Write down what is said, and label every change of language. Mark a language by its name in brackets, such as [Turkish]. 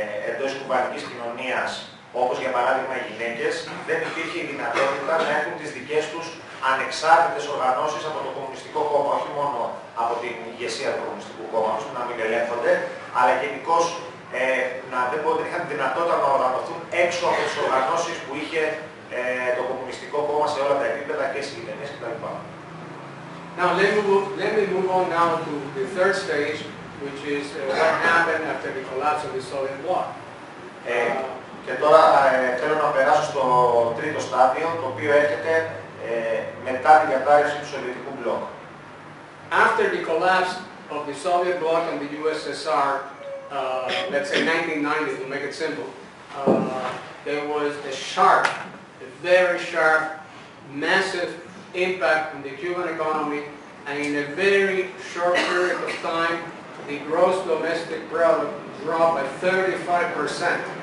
[Greek] εντός κουβανικής κοινωνίας, όπως για παράδειγμα οι γυναίκες, δεν υπήρχε η δυνατότητα να έχουν τις δικές τους ανεξάρτητες οργανώσεις από το Κομμουνιστικό Κόμμα, όχι μόνο από την ηγεσία του Κομμουνιστικού Κόμματος, να μην ελέγχονται, αλλά γενικώς να δεν είχαν τη δυνατότητα να οργανωθούν έξω από τις οργανώσεις που είχε το Κομμουνιστικό Κόμμα σε όλα τα επίπεδα και στις γυναίκες κλπ. [English] Now let me move on now to the third stage, which is what happened after the collapse of the Soviet bloc. [Greek] Και τώρα θέλω να περάσω στο τρίτο στάδιο, το οποίο έρχεται μετά την κατάρρευση του Σοβιετικού μπλοκ. [English] After the collapse of the Soviet bloc and the USSR, let's say 1990, to make it simple, there was a sharp, a very sharp, massive impact on the Cuban economy, and in a very short period of time, the gross domestic product dropped by 35%.